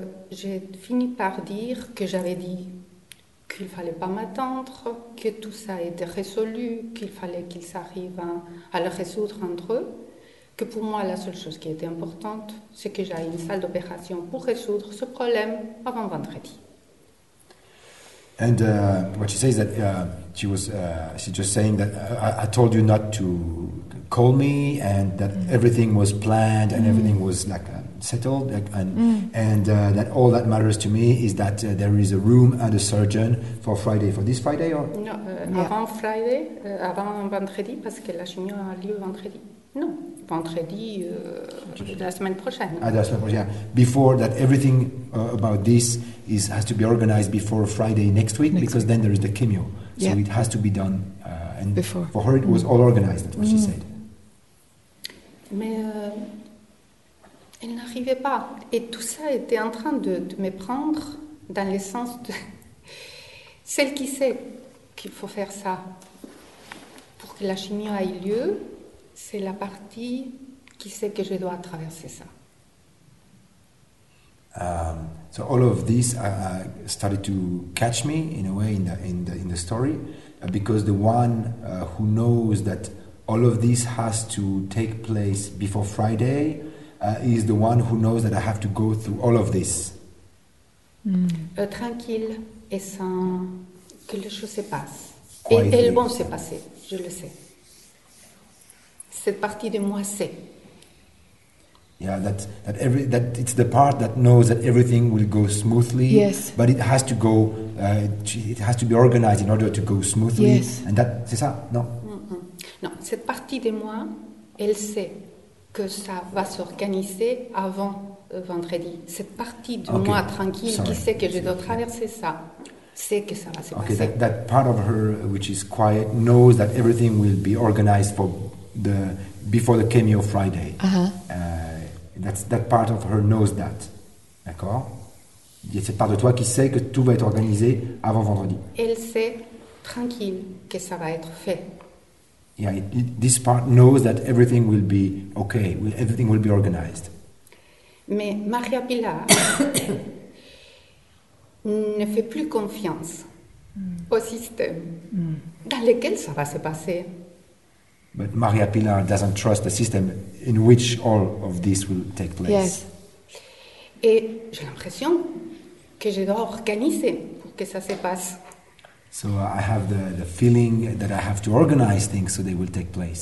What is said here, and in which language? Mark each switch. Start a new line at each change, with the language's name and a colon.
French: J'ai fini par dire que j'avais dit qu'il fallait pas m'attendre, que tout ça était résolu, qu'il fallait qu'ils arrivent à le résoudre entre eux. Que pour moi, la seule chose qui était importante, c'est que j'aille à une salle d'opération pour résoudre ce problème avant vendredi.
English: And what she says that she was she just saying that I told you not to call me and that everything was planned and everything was like settled and that all that matters to me is that there is a room and a surgeon for Friday, for this Friday or
French: Avant Friday, avant vendredi parce que la chimio a lieu vendredi. Vendredi, la semaine prochaine. Ah, la semaine prochaine.
English: Before that, everything about this has to be organized before Friday next week, because then there is the chemo. So it has to be done. And before. For her, it was all organized, that's what she said.
French: Mais elle n'arrivait pas. Et tout ça était en train de me prendre dans le sens de... Celle qui sait qu'il faut faire ça pour que la chimio ait lieu... C'est la partie qui sait que je dois traverser ça.
English: So all of this started to catch me in a way in the story, because the one who knows that all of this has to take place before Friday is the one who knows that I have to go through all of this.
French: Tranquille et sans que les choses se passent. Et elles vont se passer, je le sais. Cette partie de moi sait.
English: Yeah, that it's the part that knows that everything will go smoothly. Yes. But it has to go. It has to be organized in order to go smoothly. Yes. And that
French: c'est ça, non? Non, cette partie de moi, elle sait que ça va s'organiser avant vendredi. Cette partie de moi tranquille qui sait que je dois traverser ça.
English: Okay, that part of her which is quiet knows that everything will be organized for. Before the chemo Friday. That part of her knows that.
French: D'accord? C'est cette part de toi qui sait que tout va être organisé avant vendredi. Elle sait tranquille que ça va être fait.
English: Yeah, this part knows that everything will be okay, everything will be organized.
French: Mais Maria Pilar ne fait plus confiance au système dans lequel ça va se passer.
English: But Maria Pilar doesn't trust the system in which all of this will take place. Yes.
French: Et j'ai l'impression que je dois organiser pour que ça se passe.
English: So I have the feeling that I have to organize things so they will take place.